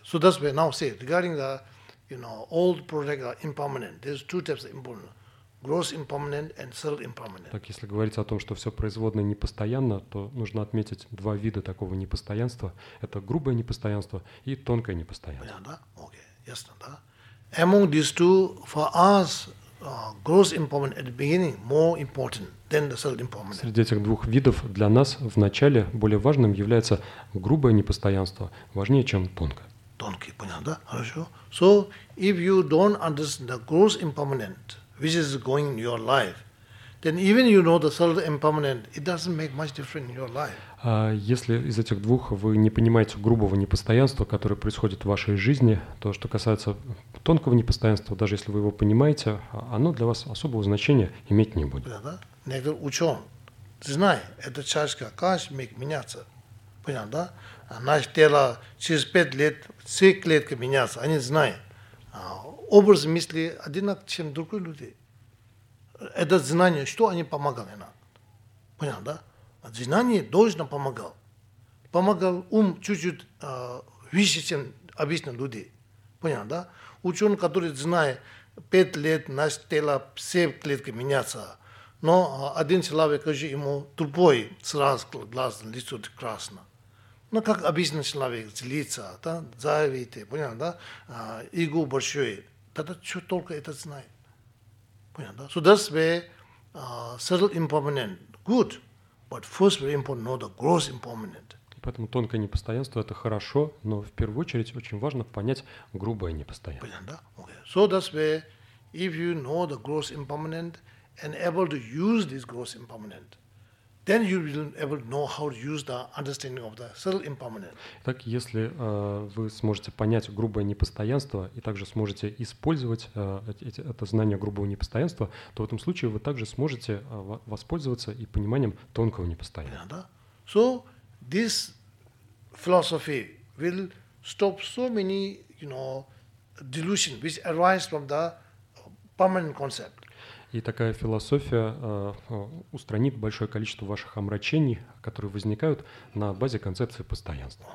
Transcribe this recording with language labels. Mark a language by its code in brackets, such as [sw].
[en] So that's why now say, regarding the, you know, old project are impermanent. There's two types of impermanent. Gross impermanent and subtle impermanent. [ru] Так, если говорить о том, что все производное непостоянно, то нужно отметить два вида такого непостоянства. Это грубое непостоянство и тонкое непостоянство. Понятно, да? [en] Okay. [ru] Ясно, да? [en] Among these two, for us, gross impermanent at the beginning more important than the subtle impermanent. [ru] Среди этих двух видов для нас в начале более важным является грубое непостоянство, важнее, чем тонкое. Тонкий, понятно, да? Хорошо. [en] So if you don't understand the gross impermanent, which is going in your life, then even you know the subtle impermanent, it doesn't make much difference in your life. [ru] Если из этих двух вы не понимаете грубого непостоянства, которое происходит в вашей жизни, то, что касается тонкого непостоянства, даже если вы его понимаете, оно для вас особого значения иметь не будет. Да, да? Некоторые ученые знают, эта чашка каждый миг меняется. Понятно, да? А наше тело через 5 лет, все клетки меняются, они знают. Образ мысли одинаковый, чем другие люди. Это знание, что они помогали нам. Понятно, да? Знание должно помогать. Помогал ум чуть-чуть выше, чем обычно люди. Понятно, да? Ученый, который знает, 5 лет наше тело, все клетки меняются. Но один человек, скажи ему, тупой, сразу глаз, лицо красно. Ну, как обычно человек, злится, да? Завидит, понятно, да? Иго большой. Тогда что только это знает. Понятно, да? [en] So that's where subtle impermanent, good. But first, very important, know the gross impermanent. [ru] Поэтому тонкое непостоянство это хорошо, но в первую очередь очень важно понять грубое непостоянство. Понятно, да? Okay. [en] So that's where, if you know the gross impermanent and able to use this gross impermanent, then you will able to know how to use the understanding of the subtle impermanent. [ru] Так, если вы сможете понять грубое непостоянство и также сможете использовать это знание грубого непостоянства, то в этом случае вы также сможете воспользоваться и пониманием тонкого непостоянства. [en] Yeah, [ru] да? [en] So this philosophy will stop so many, you know, delusion which arise from the permanent concept. И такая философия устранит большое количество ваших омрачений, которые возникают на базе концепции постоянства.